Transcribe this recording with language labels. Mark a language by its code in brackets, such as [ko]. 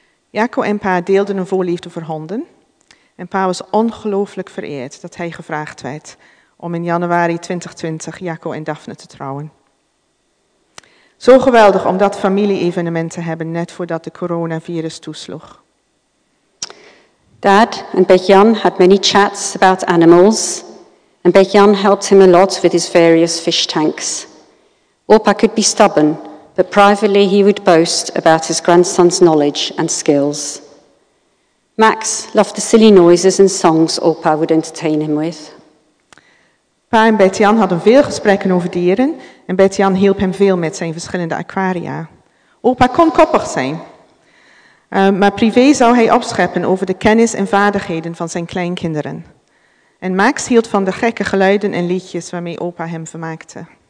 [nl] Jaco en pa deelden een voorliefde voor honden en pa was ongelooflijk vereerd dat hij gevraagd werd om in januari 2020 Jaco en Daphne te trouwen. Zo geweldig om dat familie-evenement te hebben net voordat de coronavirus toesloeg. [en] Dad en Bert-Jan had many chats about animals. En Bert-Jan helped him a lot with his various fish tanks. Orpa could be stubborn, but privately he would boast about his grandson's knowledge and skills. Max loved the silly noises and songs Orpa would entertain him with. [nl] Pa en Bert-Jan hadden veel gesprekken over dieren en Bert-Jan hielp hem veel met zijn verschillende aquaria. Opa kon koppig zijn, maar privé zou hij opscheppen over de kennis en vaardigheden van zijn kleinkinderen. En Max hield van de gekke geluiden en liedjes waarmee opa hem vermaakte.